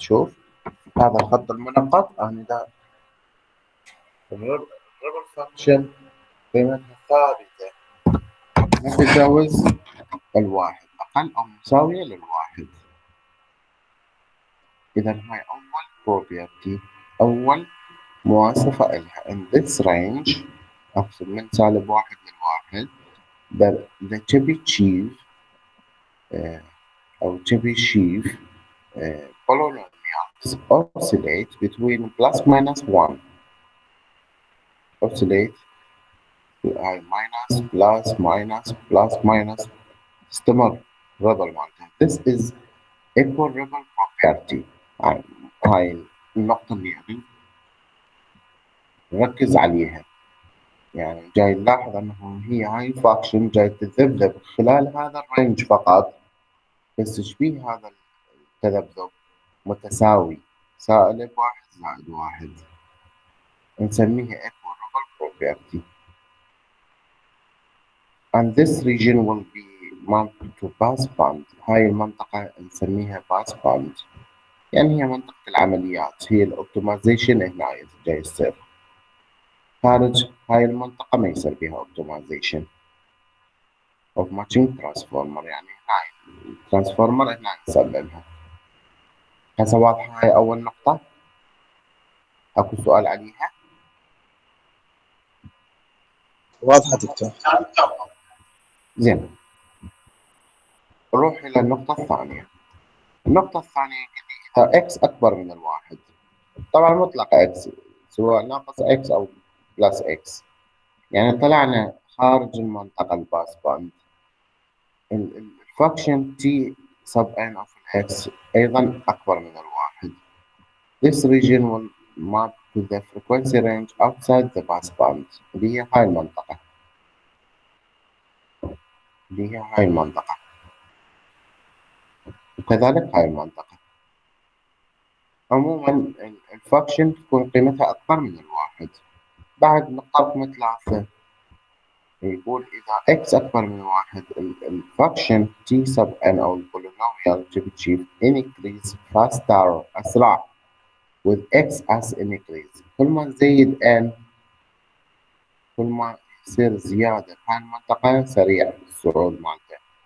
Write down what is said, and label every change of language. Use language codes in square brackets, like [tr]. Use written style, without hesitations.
[ar] شوف هذا الخط المنقط، أنا ده ربر فاكشن قيمتها ثابتة، ما تتجاوز الواحد، أقل أو مساوية للواحد. إذا هاي أول بروبيرتي، أول مواصفة إلها. [en] In this range، [ar] أقصد من سالب واحد من واحد، [en] the Chebyshev أو Chebyshev polynomials oscillate between plus minus one. Oscillate هاي minus plus minus plus minus، [ar] استمر ربل مالتها. [en] This is equal ripple property. [ar] هاي النقطة اللي يعني ركز عليها، يعني جاي نلاحظ انه هي هاي فاكشن جاي تذبذب خلال هذا الرينج فقط، بس شبيه هذا التذبذب متساوي، سالب واحد زائد واحد، نسميها equal ربل property. [en] And this region will be mapped to pass band. [ar] هاي المنطقة نسميها pass band، يعني هي منطقة العمليات، هي الاوبتمايزيشن هنا جاي يصير. خارج هاي المنطقة ما يصير بها اوبتمايزيشن اوف ماتشنج ترانسفورمر، يعني هنا الترانسفورمر هنا نسلمها. هسه واضحة هاي أول نقطة؟ أكو سؤال عليها؟ واضحة دكتور. زين، نروح إلى النقطة الثانية. النقطة الثانية إذا x أكبر من الواحد، طبعا مطلق x سواء ناقص x أو بلس x، يعني طلعنا خارج المنطقة الباس باند، الفاكشن t sub n of x أيضا أكبر من الواحد. [en] This region will map to the frequency range outside the pass band، [ar] اللي هي هاي المنطقة، [en] اللي هي هاي المنطقة، وكذلك هاي المنطقة. [ar] عموما الفاكشن تكون قيمتها أكبر من الواحد. بعد نقطة رقم ثلاثة يقول إذا x أكبر من واحد، الفاكشن t sub n أو البولينوميال Chebyshev [en] increase faster، [ar] أسرع، [en] with x as increase، [ar] كل ما زيد n كل ما يصير زيادة في المنطقة سريع الصعود مالته.